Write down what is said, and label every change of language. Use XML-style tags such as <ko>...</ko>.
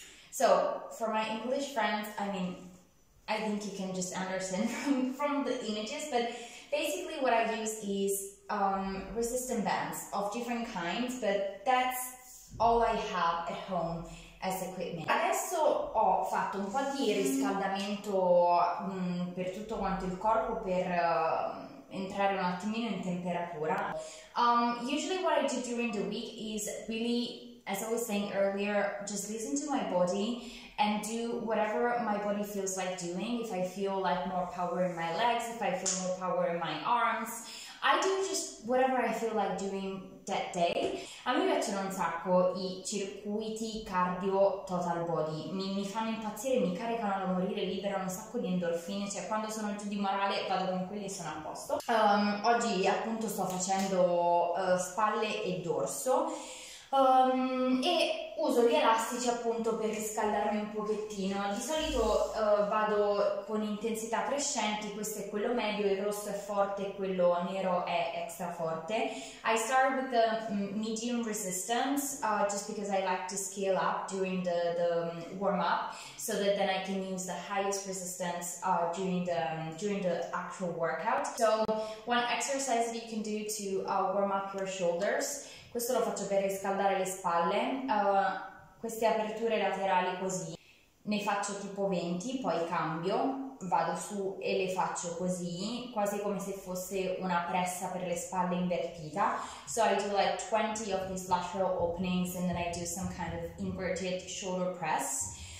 <en>So, for my English friends, I mean, I think you can just understand from the images, but basically what I use is resistant bands of different kinds, but that's all I have at home as equipment.</en> <it>Adesso ho fatto un po' di riscaldamento per tutto quanto il corpo, per entrare un attimino in temperatura.</it> <en>Usually what I do during the week is really, as I was saying earlier, just listen to my body and do whatever my body feels like doing. If I feel like more power in my legs, if I feel more power in my arms, I do just whatever I feel like doing that day,</en> <it>a me piacciono un sacco i circuiti cardio total body, mi fanno impazzire, mi caricano da morire, liberano un sacco di endorfine, cioè quando sono giù di morale vado con quelli e sono a posto. Oggi appunto sto facendo spalle e dorso. E uso gli elastici appunto per riscaldarmi un pochettino. Di solito vado con intensità crescenti, questo è quello medio, il rosso è forte, quello nero è extra forte.</it> <en>I start with the medium resistance just because I like to scale up during the warm up so that then I can use the highest resistance during the actual workout. So one exercise that you can do to warm up your shoulders.</en> <it>Questo lo faccio per riscaldare le spalle, queste aperture laterali così, ne faccio tipo 20, poi cambio, vado su e le faccio così, quasi come se fosse una pressa per le spalle invertita.</it> <en>So I do like 20 of these lateral openings and then I do some kind of inverted shoulder press.</en>